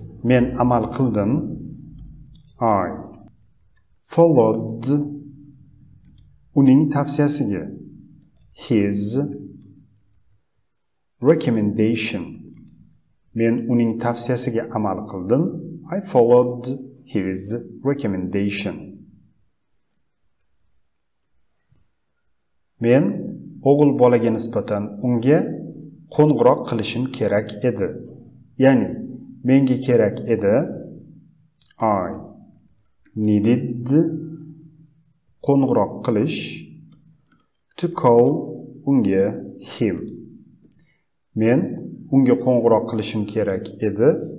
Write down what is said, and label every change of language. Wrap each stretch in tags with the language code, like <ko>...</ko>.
<uz>Men amal qildim. I followed uning tavsiyasiga.</uz> <en>His recommendation.</en> <uz>Men uning tavsiyasiga amal qildim.</uz> <en>I followed his recommendation.</en> <uz>Men o'g'il bolaga nisbatan unga qo'ng'iroq qilishim kerak edi. Ya'ni menga kerak edi.</uz> <en>I needed qo'ng'iroq qilish to call unga him.</en> <uz>Men unga qo'ng'iroq qilishim kerak edi.</uz>